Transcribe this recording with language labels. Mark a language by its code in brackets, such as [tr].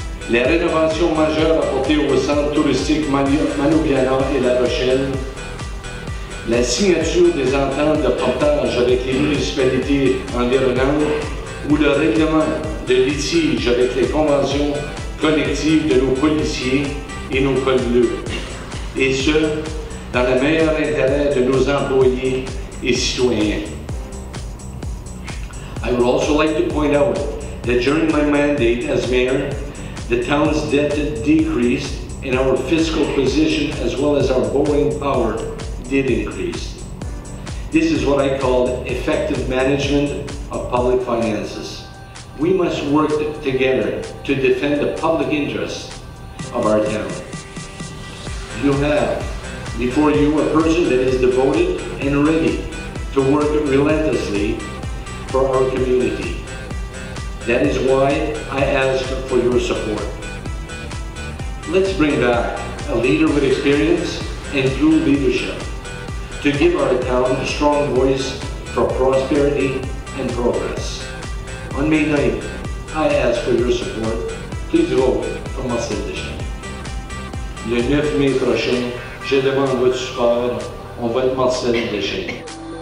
[fr] les rénovations majeures apportées au centre touristique Manoubiana et La Rochelle, la signature des ententes de portage avec les municipalités environnantes ou le règlement de litige avec les conventions collectives de nos policiers et nos codes bleus. Et ce, dans le meilleur intérêt de nos employés et citoyens. [en] I would also like to point out that during my mandate as mayor, the town's debt decreased and our fiscal position as well as our borrowing power did increase. This is what I call effective management of public finances. We must work together to defend the public interest of our town. You have before you a person that is devoted and ready to work relentlessly for our community. That is why I ask for your support. Let's bring back a leader with experience and true leadership to give our town a strong voice for prosperity and progress. On May 9th, I ask for your support. Please vote for Marcel Deschênes. [fr] Le 9 mai prochain, je demande votre support. On vote Marcel Deschênes.